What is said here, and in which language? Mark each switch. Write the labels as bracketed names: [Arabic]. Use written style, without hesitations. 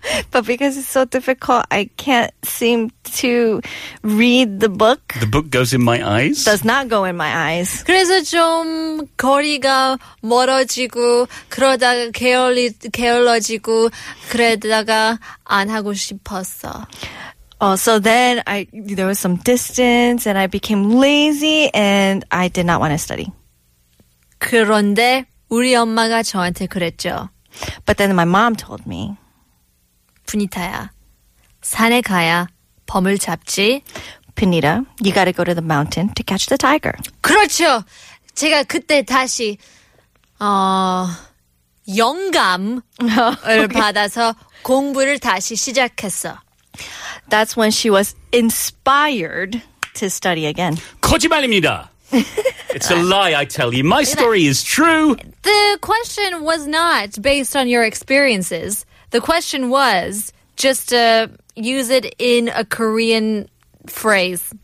[English] But because it's so difficult, I can't seem to read the book. The book goes in my eyes? Does not go in my eyes. [Korean] 그래서 좀 거리가 멀어지고 그러다가 게을러지고 그러다가 안 하고 싶었어. [English] Oh, so then there was some distance and I became lazy and I did not want to study. [Korean] 그런데 우리 엄마가 저한테 그랬죠. [English] But then my mom told me, [Korean] "Panita야, 산에 가야 범을 잡지." [English] Panita, you gotta go to the mountain to catch the tiger. [Korean] 그렇죠. 제가 그때 다시 영감을 okay. 받아서 공부를 다시 시작했어. [English] That's when she was inspired to study again. [Korean] 거짓말입니다. [English] It's a lie, I tell you. My story is true. The question was not based on your experiences. The question was just to use it in a Korean phrase.